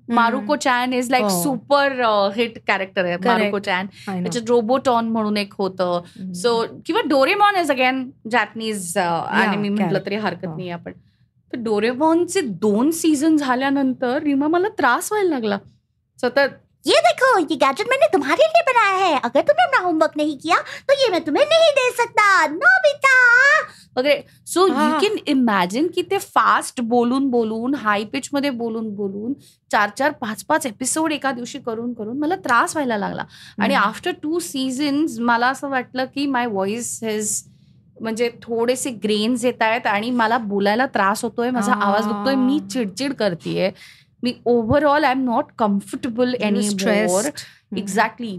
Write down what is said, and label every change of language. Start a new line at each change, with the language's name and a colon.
Marathi: Marco Chan
English: is like super hit
Marathi: character आहे. मारुको चॅन त्याच्यात रोबोटॉन म्हणून एक होतं. सो किंवा Doraemon is again Japanese anime म्हटलं तरी हरकत नाही आपण. तर डोरेमॉनचे 2 सीझन झाल्यानंतर रिमा मला त्रास व्हायला लागला सतत.
Hindi: ये देखो ये गैजेट मैंने तुम्हारे लिए बनाया है. अगर तुमने अपना होमवर्क नहीं किया तो ये मैं तुम्हें नहीं दे सकता.
English: no बेटा
Marathi: वगैरे.
English: so you can imagine
Marathi: की ते फास्ट बोलून बोलून हाय पिच मध्ये बोलून बोलून चार चार पाच पाच एपिसोड एका दिवशी करून करून मला त्रास व्हायला लागला. आणि
English: after two seasons
Marathi: मला असं वाटलं की
English: my voice has
Marathi: म्हणजे थोडेसे ग्रेन्स येत आहेत आणि मला बोलायला त्रास होतोय, माझा आवाज दुखतोय, मी चिडचिड करते, मी overall
English: I am not comfortable any more.
Marathi: Exactly.